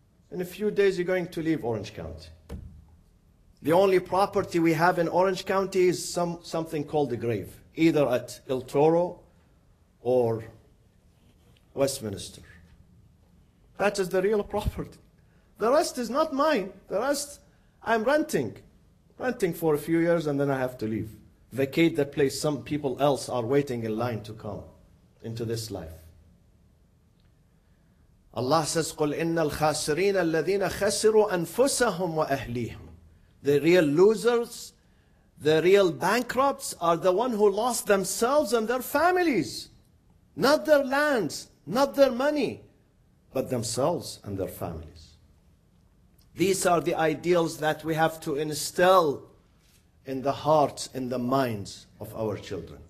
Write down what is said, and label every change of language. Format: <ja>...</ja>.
<en>In a few days, you're going to leave Orange County. The only property we have in Orange County is something called the grave, either at El Toro or Westminster. That is the real property. The rest is not mine. The rest, I'm renting for a few years, and then I have to leave. Vacate the place. Some people else are waiting in line to come into this life. Allah says,</en> <ar>قُلْ إِنَّ الْخَاسِرِينَ الَّذِينَ خَسِرُوا أَنفُسَهُمْ وَأَهْلِيهِمْ.</ar> <en>The real losers, the real bankrupts are the one who lost themselves and their families. Not their lands, not their money, but themselves and their families. These are the ideals that we have to instill in the hearts, in the minds of our children.</en>